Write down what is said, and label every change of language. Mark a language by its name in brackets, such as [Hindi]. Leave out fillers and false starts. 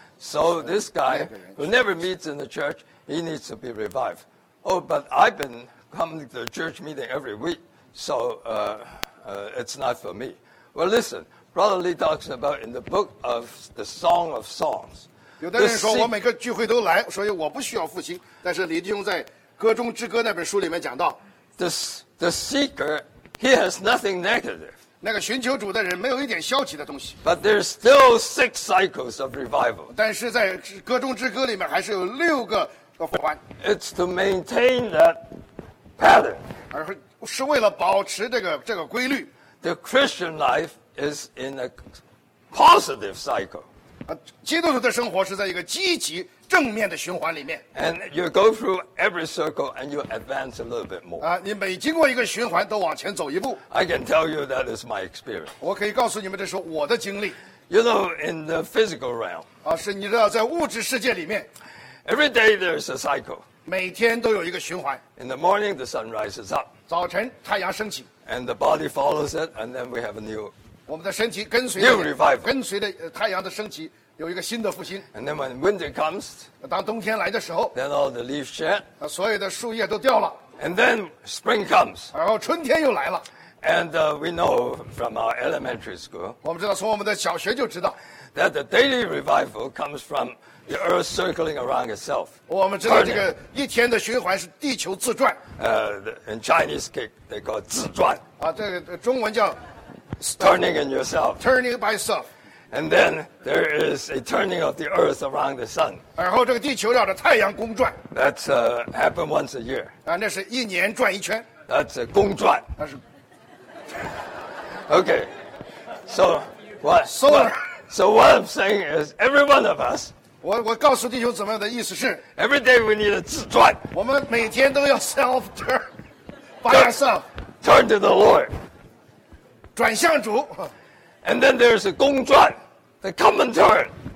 [English] So this guy who never meets in the church,He needs to be revived. Oh, but I've been coming to the church meeting every week, so it's not for me. Well, listen, Brother Lee talks about in the book of the Song of Songs. [Chinese] 有的人说我每个聚会都来，所以我不需要复兴。但是李弟兄在《歌中之歌》那本书里面讲到 [English] ，the seeker he has nothing negative. [Chinese] 那个寻求主的人没有一点消极的东西。 [English] But there's still six cycles of revival. [Chinese] 但是在《歌中之歌》里面还是有六个。 [English] It's to maintain that pattern. [Chinese] 而是为了保持这个规律。 [English] The Christian life is in a positive cycle. [Chinese] 基督徒的生活是在一个积极正面的循环里面。 [English] And you go through every circle and you advance a little bit more. [Chinese] 你每经过一个循环都往前走一步。 [English] I can tell you that is my experience. [Chinese] 我可以告诉你们这是我的经历。 [English] You know, in the physical realm. [Chinese] 是你知道在物质世界里面。 [English] Every day there is a cycle. [Chinese] 每天都有一个循环。 [English] In the morning, the sun rises up. [Chinese] 早晨太阳升起。 [English] And the body follows it, and then we have a new. [Chinese] 我们的身体跟随。 [English] New revival. [Chinese] 跟随着太阳的升起，有一个新的复兴。 [English] And then when winter comes. [Chinese] 当冬天来的时候。 [English] Then all the leaves shed. [Chinese] 所有的树叶都掉了。 [English] And then spring comes. [Chinese] 然后春天又来了。 [English] And we know from our elementary school. [Chinese] 我们知道从我们的小学就知道。 [English] That the daily revival comes from. The earth circling around itself. [Chinese] 我们知道这个一天的循环是地球自转。 [English] In Chinese, they call it 自转。 [Chinese] 这个中文叫 [English] turning in yourself. Turning by itself. And then there is a turning of the earth around the sun. [Chinese] 然后这个地球绕着太阳公转。 [English] That's happen once a year. [Chinese] 那是一年转一圈。 [English] That's a 公转。 [Chinese] 那是。 [English] Okay. So what? So what I'm saying is, every one of us. [Chinese] 我告诉弟兄怎么样的意思是 [English] ，Every day we need a 自转。 [Chinese] 我们每天都要 [English] self turn by yourself. Turn to the Lord. [Chinese] 转向主。 [English] And then there's a 公转 the common turn.